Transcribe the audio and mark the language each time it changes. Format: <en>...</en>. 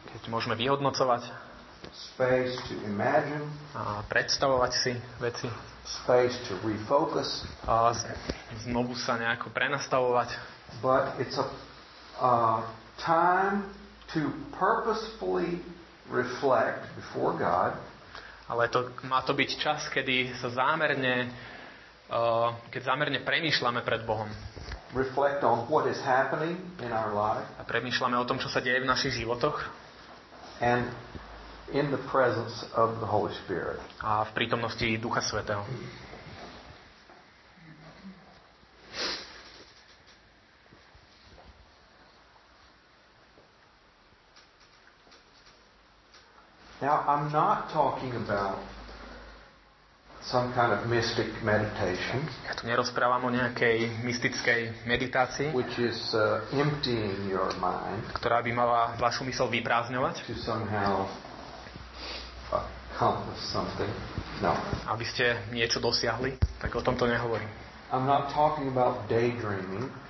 <sk>Keď môžeme vyhodnocovať.</sk> <en>Space to imagine.</en> <sk>A predstavovať si veci.</sk> <en>Space to refocus.</en> <sk>A znovu sa nejako prenastavovať.</sk> <en>But it's a time to purposefully reflect before God.</en> <sk>Ale to má to byť čas, kedy sa zámerne keď zámerne premýšľame pred Bohom.</sk> <en>Reflect on what is happening in our life.</en> <sk>A premýšľame o tom, čo sa deje v našich životoch.</sk> <en>And in the presence of the Holy Spirit.</en> <sk>A v prítomnosti Ducha Svätého.</sk> <en>Now I'm not talking about some kind of mystic meditation.</en> <sk>Ja tu nerozprávam o nejakej mystickej meditácii,</sk> <en>which is emptying your mind,</en> <sk>ktorá by mala vašu mysel vyprázdňovať.</sk> <en>To somehow accomplish something. No.</en> <sk>Aby ste niečo dosiahli, tak o tom to nehovorím.</sk> <en>I'm not talking about daydreaming.</en>